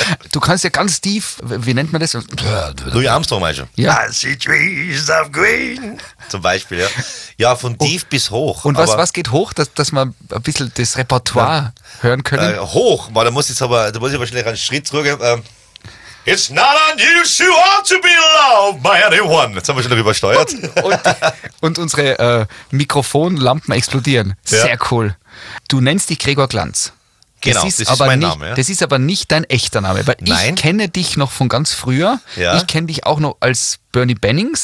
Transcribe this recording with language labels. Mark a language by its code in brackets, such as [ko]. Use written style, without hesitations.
[de] Du kannst ja ganz tief, wie nennt man das? Louis Armstrong meinst du? Ja. [en] I see trees of green. [de] Zum Beispiel, ja. Ja, von tief bis hoch. Und was geht hoch, dass man ein bisschen das Repertoire hören können? Hoch, weil da muss ich wahrscheinlich einen Schritt zurück. [en] It's not unusual to be loved by anyone. [de] Jetzt haben wir schon darüber übersteuert. Und unsere Mikrofonlampen explodieren. Sehr cool. Du nennst dich Gregor Glanz. Genau, das ist mein Name. Ja. Das ist aber nicht dein echter Name, weil Nein. Ich kenne dich noch von ganz früher. Ja. Ich kenne dich auch noch als Bernie Bennings.